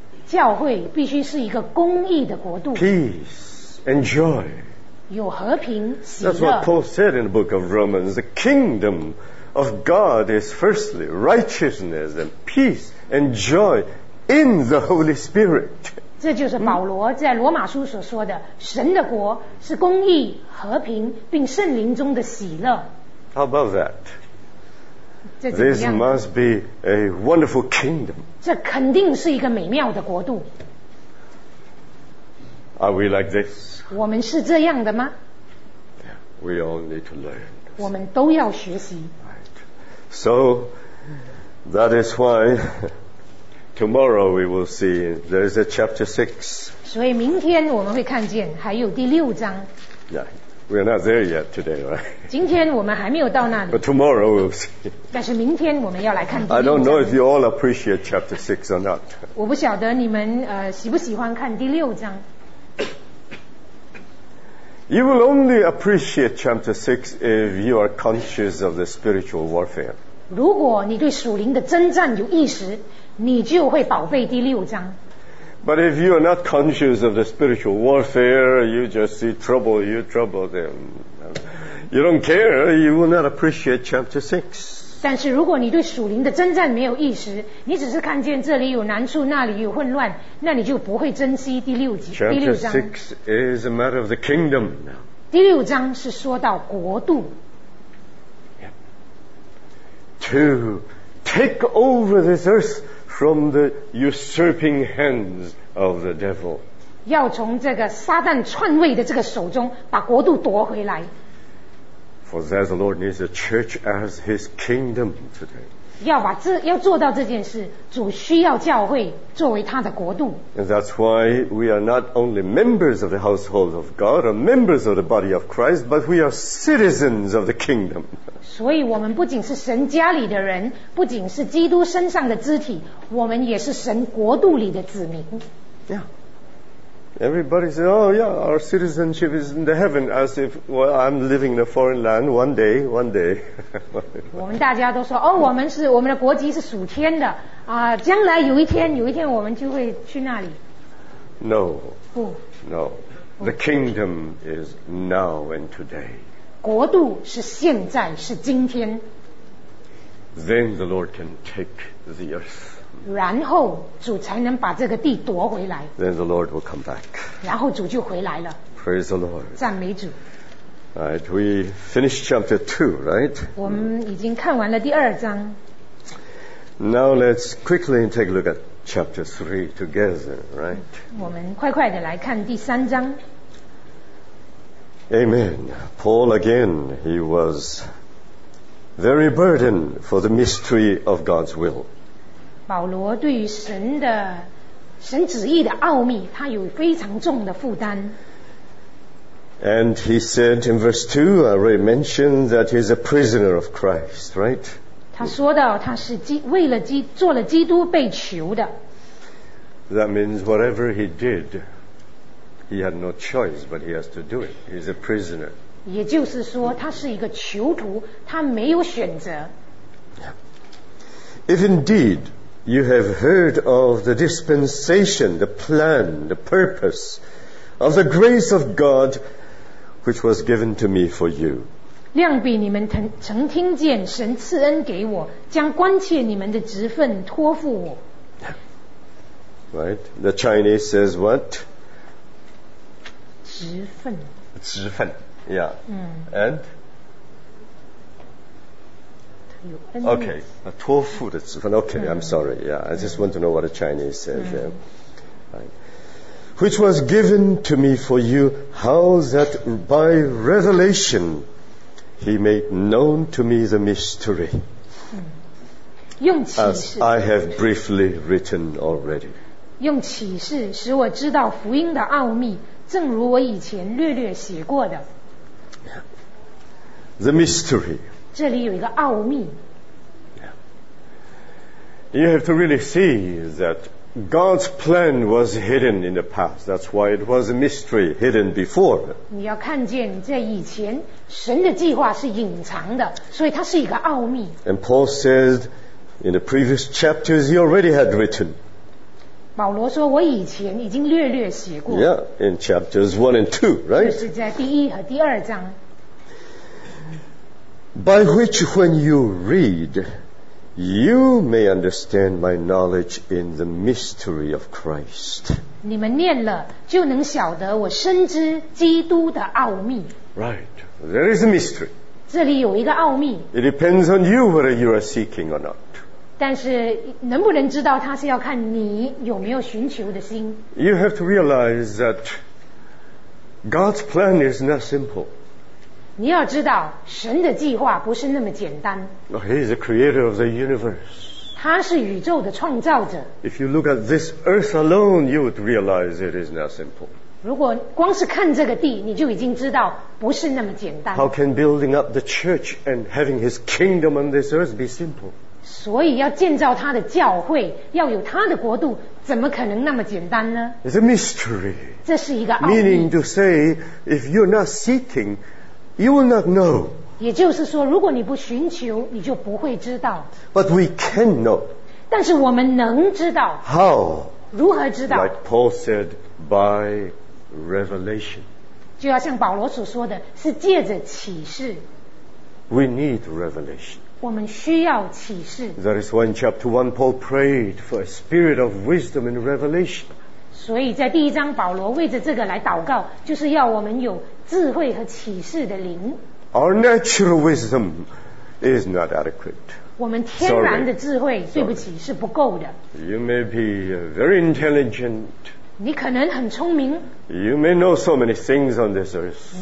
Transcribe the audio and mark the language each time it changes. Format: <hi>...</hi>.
<zh>教会必须是一个公义的国度。</zh> <en>Peace and joy.</en> <zh>有和平喜乐。</zh> <en>That's what Paul said in the book of Romans. The kingdom of God is firstly righteousness and peace and joy in the Holy Spirit.</en> <zh>这就是保罗在罗马书所说的，神的国是公义、和平，并圣灵中的喜乐。</zh> <en>How about that? This must be a wonderful kingdom.</en> <zh>这肯定是一个美妙的国度。</zh> <en>Are we like this?</en> <zh>我们是这样的吗？</zh> <en>We all need to learn.</en> <zh>我们都要学习。</zh> <en>So, that is why. Tomorrow we will see there is a chapter 6.</en> <zh>所以明天我们会看见还有第六章。</zh> <en>Yeah, we are not there yet today, right?</en> <zh>今天我们还没有到那里。</zh> <en>But tomorrow we will see.</en> <zh>但是明天我们要来看第六章。</zh> <en>I don't know if you all appreciate chapter 6 or not.</en> <zh>我不晓得你们喜不喜欢看第六章。</zh> <en>You will only appreciate chapter 6 if you are conscious of the spiritual warfare.</en> <zh>如果你对属灵的征战有意识，你就会宝贝第六章。</zh> <en>But if you are not conscious of the spiritual warfare, you just see trouble, you trouble them. You don't care, you will not appreciate chapter 6.</en> <zh>但是如果你对属灵的征战没有意识，你只是看见这里有难处，那里有混乱，那你就不会珍惜第六章。</zh> <en>Chapter 6 is a matter of the kingdom.</en> <zh>第六章是说到国度。</zh> <en>To take over this earth from the usurping hands of the devil.</en> <zh>要从这个撒旦篡位的这个手中把国度夺回来。</zh> <en>For that the Lord needs the church as his kingdom today.</en> <zh>要做到这件事，主需要教会作为他的国度。</zh> <en>And that's why we are not only members of the household of God or members of the body of Christ, but we are citizens of the kingdom.</en> <zh>所以我们不仅是神家里的人，不仅是基督身上的肢体，我们也是神国度里的子民。</zh> <en>Yeah. Everybody says, oh yeah, our citizenship is in the heaven, as if, well, I'm living in a foreign land one day.</en> <zh>我们大家都说，哦，我们的国籍是属天的，将来有一天我们就会去那里。</zh> <en>No.</en> <zh>不。</zh> <en>No. The kingdom is now and today.</en> <zh>国度是现在，是今天。</zh> <en>Then the Lord can take the earth.</en> <zh>然后主才能把这个地夺回来。</zh> <en>Then the Lord will come back.</en> <zh>然后主就回来了。</zh> <en>Praise the Lord.</en> <zh>赞美主。</zh> <en>Right, we finished chapter 2, right?</en> <zh>我们已经看完了第二章。</zh> <en>Now let's quickly take a look at chapter 3 together, right?</en> <zh>我们快快地来看第三章。</zh> <en>Amen. Paul again, he was very burdened for the mystery of God's will.</en> <zh>保罗对于神旨意的奥秘，他有非常重的负担。</zh> <en>And he said in verse 2, I already mentioned that he's a prisoner of Christ, right?</en> <zh>他说到他是为了做了基督被囚的。</zh> <en>That means whatever he did, he had no choice, but he has to do it. He's a prisoner.</en> <zh>也就是说他是一个囚徒，他没有选择。</zh> <en>If indeed you have heard of the dispensation, the plan, the purpose of the grace of God,which was given to me for you.</en> <zh>量比你们曾听见神赐恩给我，将关切你们的职分托付我。</zh> <en>Right? The Chinese says what?</en> <zh>职分。职分，</zh> <en>yeah. And?</en> <zh>有</zh> <en>okay,</en> <zh>托付的职分。</zh> <en>Okay, I'm sorry. Yeah, I just want to know what the Chinese says. Which was given to me for you, how that by revelation he made known to me the mystery, as I have briefly written already.</en> <zh>用启示使我知道福音的奥秘，正如我以前略略写过的。</zh> <en>The mystery.</en> <zh>这里有一个奥秘。</zh> <en>You have to really see that. God's plan was hidden in the past. That's why it was a mystery hidden before.</en> <zh>你要看见在以前神的计划是隐藏的，所以它是一个奥秘。</zh> <en>And Paul says in the previous chapters he already had written.</en> <zh>保罗说我以前已经略略写过。</zh> <en>Yeah, in chapters 1 and 2, right?</en> <zh>就是在第一和第二章。</zh> <en>By which when you readYou may understand my knowledge in the mystery of Christ.</en> <zh>你们念了就能晓得我深知基督的奥秘。</zh> <en>Right, there is a mystery.</en> <zh>这里有一个奥秘。</zh> <en>It depends on you whether you are seeking or not.</en> <zh>但是能不能知道它是要看你有没有寻求的心。</zh> <en>You have to realize that God's plan is not simple.</en> <zh>你要知道神的计划不是那么简单。</zh> <en>He is the creator of the universe.</en> <zh>他是宇宙的创造者。</zh> <en>If you look at this earth alone, you would realize it is not simple.</en> <zh>如果光是看这个地，你就已经知道不是那么简单。</zh> <en>How can building up the church and having his kingdom on this earth be simple?</en> <zh>所以要建造他的教会，要有他的国度，怎么可能那么简单呢？</zh> <en>It's a mystery.</en> <zh>这是一个奥秘。</zh> <en>Meaning to say, if you're not seeking,You will not know.</en> <zh>也就是说，如果你不寻求，你就不会知道。</zh> <en>But we can know.</en> <zh>但是我们能知道。</zh> <en>How?</en> <zh>如何知道？</zh> <en>Like Paul said, by revelation.</en> <zh>就要像保罗所说的，是借着启示。</zh> <en>We need revelation.</en> <zh>我们需要启示。</zh> <en>That is why in chapter 1, Paul prayed for a spirit of wisdom and revelation.</en> <zh>所以在第一章，保罗为着这个来祷告，就是要我们有智慧和启示的灵。</zh> <en>Our natural wisdom is not adequate.</en> <zh>我们天然的智慧</zh> <en>Sorry.</en> <zh>对不起</zh> <en>Sorry.</en> <zh>是不够的。</zh> <en>You may be very intelligent.</en> <zh>你可能很聪明。</zh> <en>You may know so many things on this earth.</en>